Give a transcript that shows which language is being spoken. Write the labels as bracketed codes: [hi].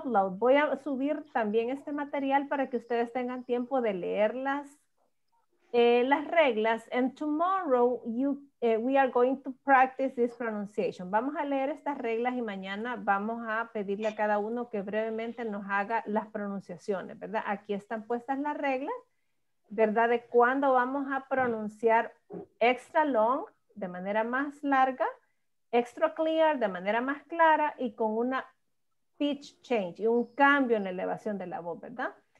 [es] Voy a subir también este material para que ustedes tengan tiempo de leerlas. Las reglas, [en] and tomorrow we are going to practice this pronunciation. [es] Vamos a leer estas reglas y mañana vamos a pedirle a cada uno que brevemente nos haga las pronunciaciones, ¿verdad? Aquí están puestas las reglas, ¿verdad? De cuándo vamos a pronunciar [en] extra long, [es] de manera más larga, [en] extra clear, [es] de manera más clara y con una [en] pitch change [es] y un cambio en la elevación de la voz, ¿verdad?